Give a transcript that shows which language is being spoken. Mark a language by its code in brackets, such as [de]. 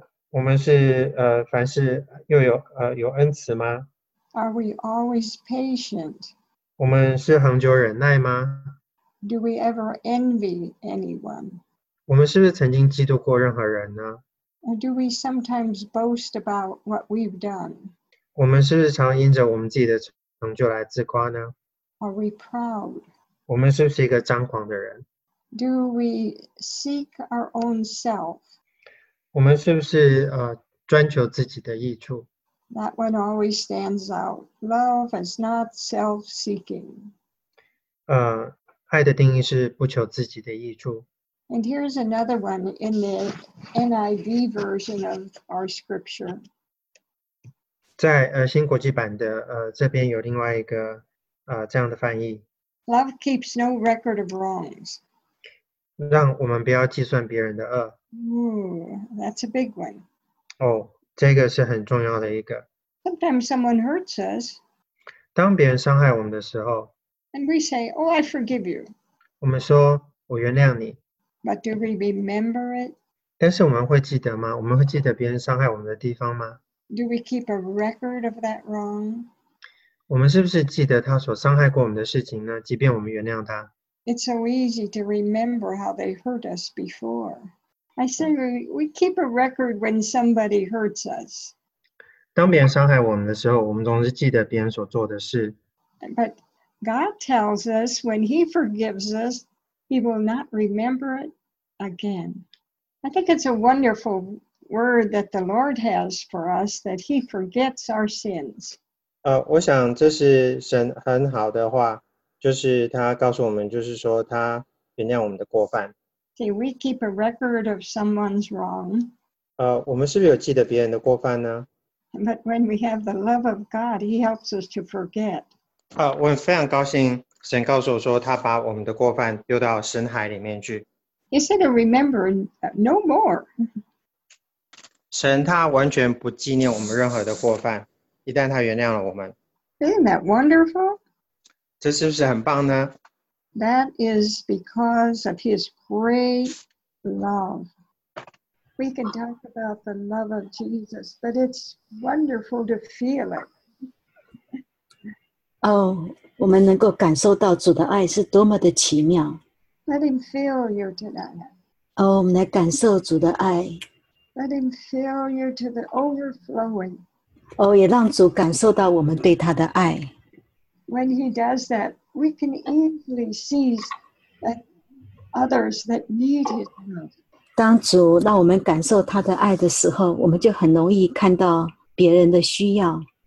[zh] 我们是凡事又有恩慈吗？ [en] Are we always patient? [zh] 我们是恒久忍耐吗？ [en] Do we ever envy anyone? [zh] 我们是不是曾经嫉妒过任何人呢？ [en] Or do we sometimes boast about what we've done? [zh] 我们是不是常因着我们自己的成就来自夸呢？ [en] Are we proud? [zh] 我们是不是一个张狂的人？ [en] Do we seek our own self? [zh] 我们是不是专求自己的益处？ [en] That one always stands out. Love is not self-seeking. [zh] 爱的定义是不求自己的益处。 [en] And here's another one in the NIV version of our scripture. [zh] 在新国际版的这边有另外一个这样的翻译。 [en] Love keeps no record of wrongs. [zh] 让我们不要计算别人的恶。 [en] That's a big one. [zh] 这个是很重要的一个。 [en] Sometimes someone hurts us. [zh] 当别人伤害我们的时候。 [en] And we say, oh, I forgive you. [zh] 我们说我原谅你。 [en] But do we remember it? [zh] 但是我们会记得吗？我们会记得别人伤害我们的地方吗？ [en] Do we keep a record of that wrong? [zh] 我们是不是记得他所伤害过我们的事情呢？即便我们原谅他。 [en] It's so easy to remember how they hurt us before. I say we keep a record when somebody hurts us. [zh] 当别人伤害我们的时候，我们总是记得别人所做的事。 [en] But God tells us when he forgives us,He will not remember it again. I think it's a wonderful word that the Lord has for us, that he forgets our sins. [zh] 我想这是神很好的话，就是他告诉我们，就是说他原谅我们的过犯。 [en] See, we keep a record of someone's wrong. [zh] 我们是不是有记得别人的过犯呢？ [en] But when we have the love of God, he helps us to forget. [zh] 我非常高兴。神告诉我说，他把我们的过犯丢到深海里面去。 [en] He said, "Remember no more." [zh] 神他完全不纪念我们任何的过犯，一旦他原谅了我们。 [en] Isn't that wonderful? [zh] 这是不是很棒呢？ [en] That is because of His great love. We can talk about the love of Jesus, but it's wonderful to feel it. [zh] Oh. 我们能够感受到主的爱是多么的奇妙。 [en] Let him fill you tonight. [zh] 我们来感受主的爱。 [en] Let him fill you to the overflowing. [zh] 也让主感受到我们对他的爱。 [en] When he does that, we can easily seize that others that need his love. [zh] 当主让我们感受他的爱的时候，我们就很容易看到别人的需要。